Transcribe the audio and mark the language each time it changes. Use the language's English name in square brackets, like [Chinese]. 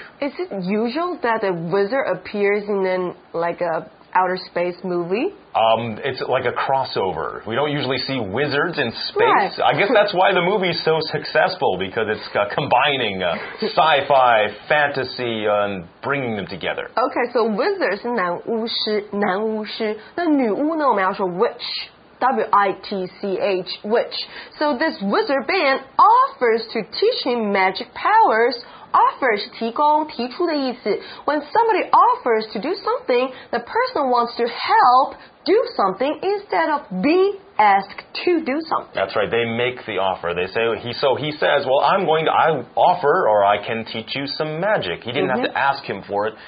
[English] Is it usual that a wizard appears in an, like, a outer space movie? It's like a crossover. We don't usually see wizards in space. Right. I guess that's why the movie's so successful, because it's combining sci-fi, fantasy, and bringing them together. Okay, so wizard is [Chinese] 男巫师。那女巫呢，我们要说 witch. [English] W-I-T-C-H, witch. So this wizard Ben offers to teach him magic powers. [Chinese] Offer 是提供、提出的意思。 [English] When somebody offers to do something, the person wants to help do something instead of be asked to do something. That's right. They make the offer. They say, he says, well, I can teach you some magic. He didn't have to ask him for it.